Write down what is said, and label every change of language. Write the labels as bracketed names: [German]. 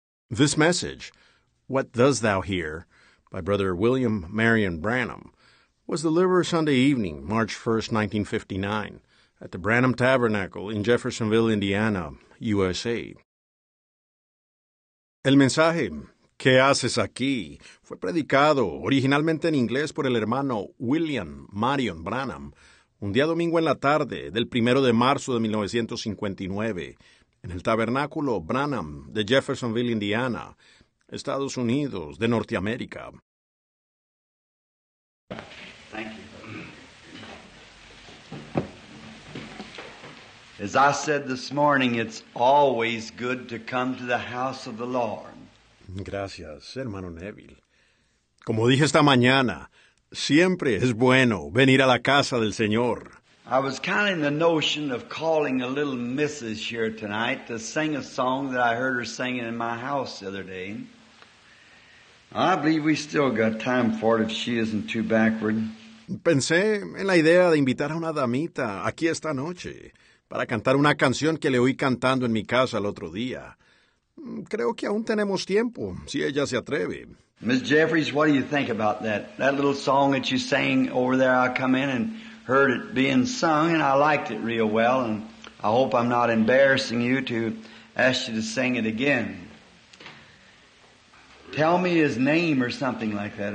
[English] This message, What Does Thou Hear, by Brother William Marion Branham, was delivered Sunday evening, March 1, 1959, at the Branham Tabernacle in Jeffersonville, Indiana, USA. [Spanish] El mensaje, ¿Qué haces aquí?, fue predicado originalmente en inglés por el hermano William Marion Branham un día domingo en la tarde del 1 de marzo de 1959, en el Tabernáculo Branham de Jeffersonville, Indiana, Estados Unidos de Norteamérica. [English] Thank you. As I said this morning, it's always good to come to the house of the Lord. [Spanish] Gracias, hermano Neville. Como dije esta mañana, siempre es bueno venir a la casa del Señor. [English] I was kind of in the notion of calling a little missus here tonight to sing a song that I heard her singing in my house the other day. I believe we still got time for it if she isn't too backward. [Spanish] Pensé en la idea de invitar a una damita aquí esta noche para cantar una canción que le oí cantando en mi casa el otro día. Creo que aún tenemos tiempo, si ella se atreve. [English] Miss Jeffries, what do you think about that? That little song that you sang over there, I come in and heard it being sung, and I liked it real well, and I hope I'm not embarrassing you to ask you to sing it again. Tell me his name or something like that.